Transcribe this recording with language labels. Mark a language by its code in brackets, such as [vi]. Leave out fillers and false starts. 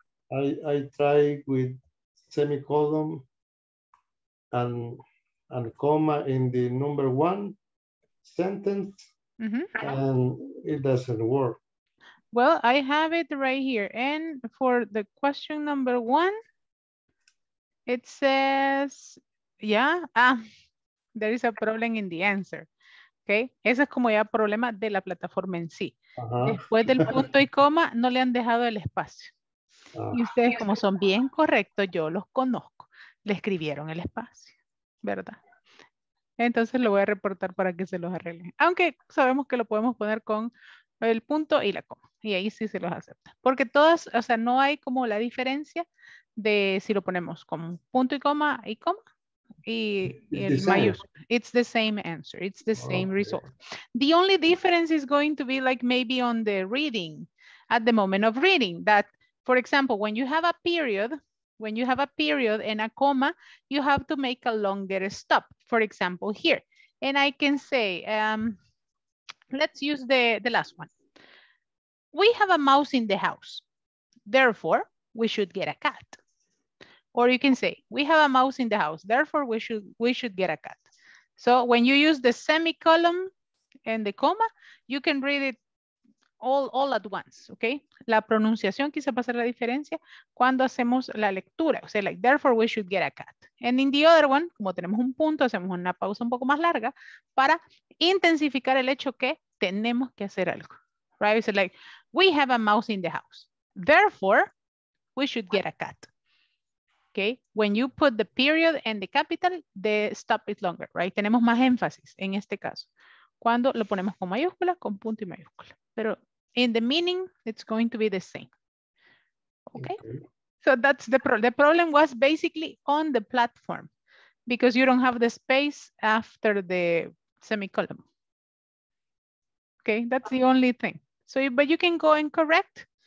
[en] I try with semicolon and comma in the number one sentence, and it doesn't work. Well, I have it right here. And for the question number one, it says, there is a problem in the answer. [es] Okay, ese es como ya problema de la plataforma en sí. Uh-huh. Después del punto y coma, no le han dejado el espacio. Uh-huh. Y ustedes, como son bien correctos, yo los conozco, le escribieron el espacio, ¿verdad? Entonces lo voy a reportar para que se los arreglen. Aunque sabemos que lo podemos poner con el punto y la coma. Y ahí sí se los acepta. Porque todas, o sea, no hay como la diferencia de si lo ponemos con punto y coma. Y el mayúscula. [en] It's the same answer. It's the same result. The only difference is going to be like maybe on the reading, at the moment of reading. That, for example, when you have a period, when you have a period and a comma, you have to make a longer stop. For example, here. And I can say, let's use the last one. We have a mouse in the house. Therefore, we should get a cat. Or you can say, we have a mouse in the house, therefore we should get a cat. So when you use the semicolon and the comma, you can read it all at once, okay? [es] La pronunciación quizá va a ser la diferencia cuando hacemos la lectura. O sea, like, [en] therefore we should get a cat. And in the other one, [es] como tenemos un punto, hacemos una pausa un poco más larga para intensificar el hecho que tenemos que hacer algo, right? [en] It's like, we have a mouse in the house, therefore we should get a cat. Okay, when you put the period and the capital, the stop is longer, right? [es] Tenemos más énfasis en este caso. Cuando lo ponemos con mayúscula, con punto y mayúscula. [en] Pero in the meaning, it's going to be the same. Okay, so that's the problem. The problem was basically on the platform because you don't have the space after the semicolon. Okay, that's the only thing. So, but you can go and correct.